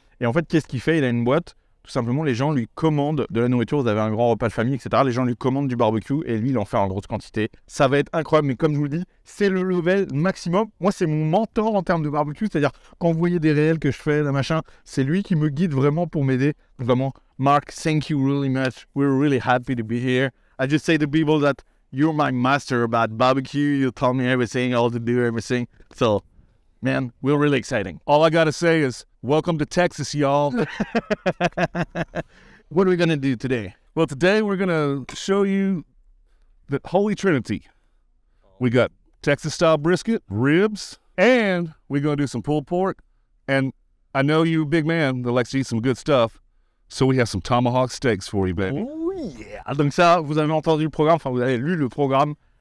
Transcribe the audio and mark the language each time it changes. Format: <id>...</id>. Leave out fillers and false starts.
<fr>Et en fait, qu'est-ce qu'il fait? Il a une boîte. Tout simplement, les gens lui commandent de la nourriture. Vous avez un grand repas de famille, etc. Les gens lui commandent du barbecue et lui, il en fait en grosse quantité. Ça va être incroyable. Mais comme je vous le dis, c'est le level maximum. Moi, c'est mon mentor en termes de barbecue. C'est-à-dire, quand vous voyez des réels que je fais, là, machin, c'est lui qui me guide vraiment pour m'aider. Vraiment,</fr> <en>Marc, thank you really much. We're really happy to be here. I just say to people that you're my master about barbecue. You tell me everything, all to do, everything. So, man, we're really exciting. All I gotta say is, welcome to Texas, y'all. What are we gonna do today? Well, today we're gonna show you the Holy Trinity. We got Texas-style brisket, ribs, and we're gonna do some pulled pork. And I know you, big man, that likes to eat some good stuff. So we have some tomahawk steaks for you, baby. Oh, yeah.</en> <fr>Donc ça, vous avez entendu le programme, enfin, vous avez lu le programme.</fr>